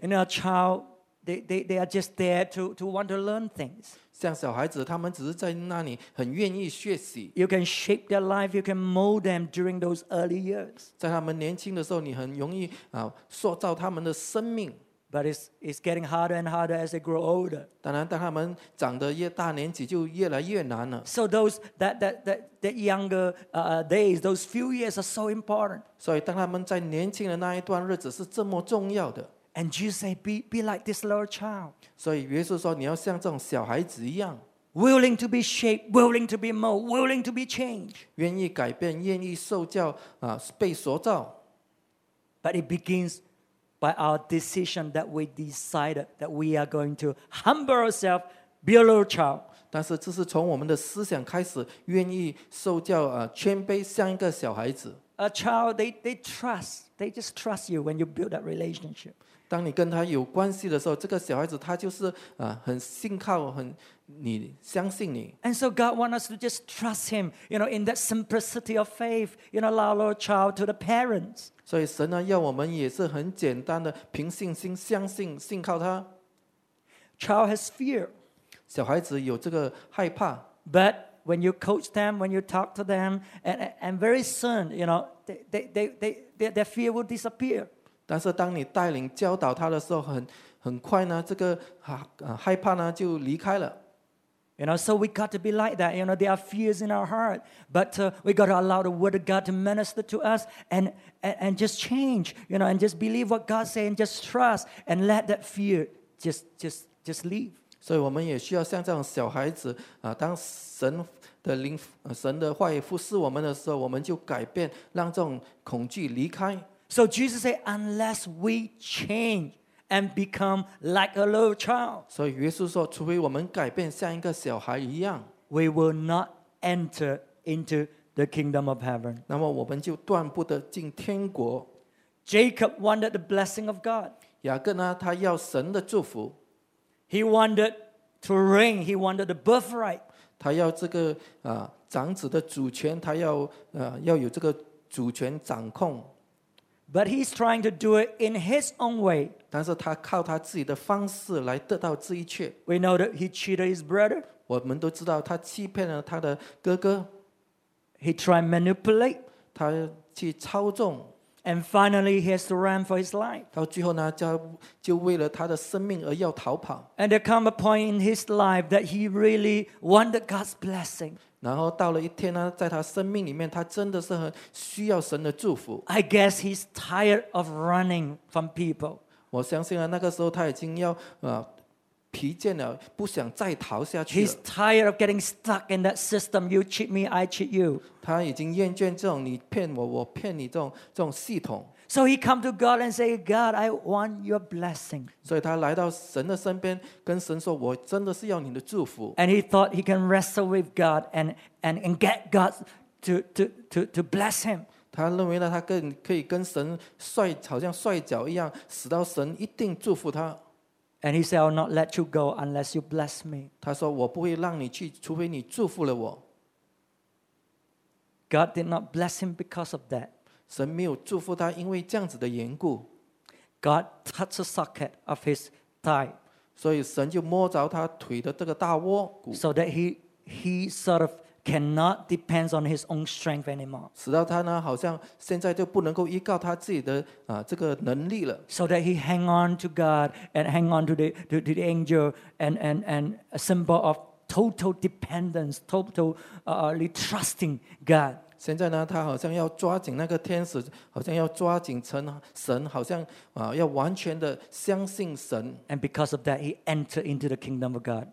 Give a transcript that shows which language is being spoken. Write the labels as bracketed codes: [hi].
[en] And a child, they are just there to want to learn things. [zh] 像小孩子，他们只是在那里很愿意学习。 [en] You can shape their life, you can mold them during those early years. [zh] 在他们年轻的时候，你很容易塑造他们的生命。 [en] But it's getting harder and harder as they grow older. [zh] 当然，当他们长得越大年纪，就越来越难了。 [en] So those that younger days, those few years are so important. [zh] 所以，当他们在年轻的那一段日子是这么重要的。 [en] And Jesus said, be like this little child. [zh] 所以耶稣说你要像这种小孩子一样。 [en] Willing to be shaped, willing to be molded, willing to be changed. [zh] 愿意改变，愿意受教，被塑造。 [en] But it begins by our decision that we decided that we are going to humble ourselves, be a little child. [zh] 但是这是从我们的思想开始，愿意受教，谦卑，像一个小孩子。 [en] A child, they trust. They just trust you when you build that relationship. [zh] 当你跟他有关系的时候，这个小孩子他就是很信靠，很你相信你。 [en] And so God wants us to just trust Him, you know, in that simplicity of faith, you know, allow our child to the parents. [zh] 所以神呢，要我们也是很简单的凭信心相信信靠他。 [en] Child has fear. [zh] 小孩子有这个害怕。 [en] But when you coach them, when you talk to them, and very soon, you know, their fear will disappear. [zh] 但是当你带领教导他的时候 很快呢这个害怕呢就离开了。 [en] You know, so we got to be like that. You know, there are fears in our heart. But we got to allow the word of God to minister to us and just change, you know, and just believe what God says and just trust and let that fear just leave. [zh] 所以我们也需要像这种小孩子当神的灵神的话语服侍我们的时候，我们就改变，让这种恐惧离开。 [en] So Jesus said, unless we change and become like a little child, [zh] 所以耶稣说，除非我们改变像一个小孩一样， [en] we will not enter into the kingdom of heaven. [zh] 那么我们就断不得进天国。 [en] Jacob wanted the blessing of God. [zh] 雅各呢，他要神的祝福。 [en] He wanted to reign. He wanted the birthright. [zh] 他要这个长子的主权，他要要有这个主权掌控。 [en] But he's trying to do it in his own way. [zh] 但是他靠他自己的方式来得到这一切。 [en] We know that he cheated his brother. [zh] 我们都知道他欺骗了他的哥哥。 [en] He tried to manipulate. [zh] 他去操纵。 [en] And finally, he has to run for his life. [zh] 到最后呢，就为了他的生命而要逃跑。 [en] And there come a point in his life that he really wanted God's blessing. [zh] 然后到了一天呢，在他生命里面，他真的是很需要神的祝福。 [en] I guess he's tired of running from people. [zh] 我相信啊，那个时候他已经要疲倦了，不想再逃下去了。 [en] He's tired of getting stuck in that system. You cheat me, I cheat you. [zh] 他已经厌倦这种你骗我，我骗你这种系统。 [en] So he come to God and say, God, I want your blessing. [zh] 所以他来到神的身边，跟神说，我真的是要你的祝福。 [en] And he thought he can wrestle with God and get God to bless him. [zh] 他认为呢，他可以跟神摔，好像摔跤一样，使到神一定祝福他。 [en] And he said, I'll not let you go unless you bless me. [zh] 他说，我不会让你去，除非你祝福了我。 [en] God did not bless him because of that. [zh] 神没有祝福他，因为这样子的缘故。 [en] God touched the socket of his thigh, [zh] 所以神就摸着他腿的这个大窝骨。 [en] So that he sort of cannot depend on his own strength anymore. [zh] 使到他呢，好像现在就不能够依靠他自己的这个能力了。 [en] So that he hang on to God and hang on to the angel and a symbol of total dependence, totally trusting God. [zh] 现在呢，他好像要抓紧那个天使，好像要抓紧神，好像要完全的相信神。 [en] And because of that, he entered into the kingdom of God.